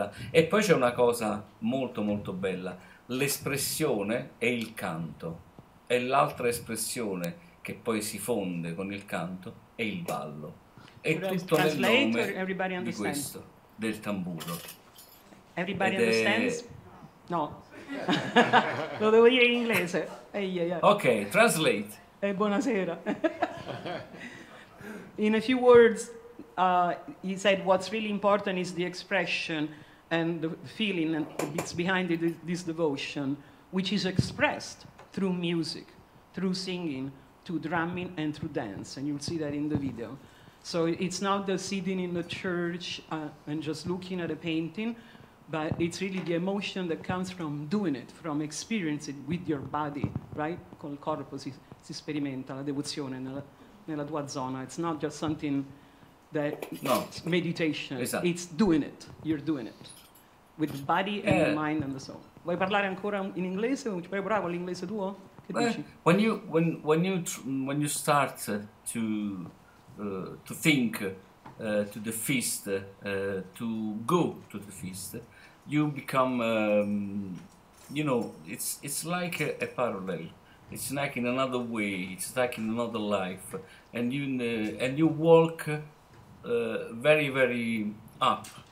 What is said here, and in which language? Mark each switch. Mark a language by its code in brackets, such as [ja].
[it] E poi c'è una cosa molto molto bella, l'espressione e il canto, e l'altra espressione che poi si fonde con il canto è il ballo, è tutto nel nome di questo, del tamburo. [en] Everybody understands? [it] No. Lo devo dire in inglese. [en] Ok, translate. [it] Buonasera. [en] In a few words, he said what's really important is the expression and the feeling and it's behind it, this devotion, which is expressed through music, through singing, through drumming and through dance. And you'll see that in the video. So it's not the sitting in the church and just looking at a painting, but it's really the emotion that comes from doing it, from experiencing it with your body, right? [it] Col corpo si sperimenta la devozione nella tua zona. [en] It's not just something that meditation. [it] Esatto. [en] It's doing it. You're doing it with the body and the mind and the soul. [it] Vuoi parlare ancora in inglese? Sei bravo all'inglese tuo? Che dici? [en] When you start to think to the feast, to go to the feast, you become, you know, it's like a parallel. It's like in another way. It's like in another life, and you walk very very up.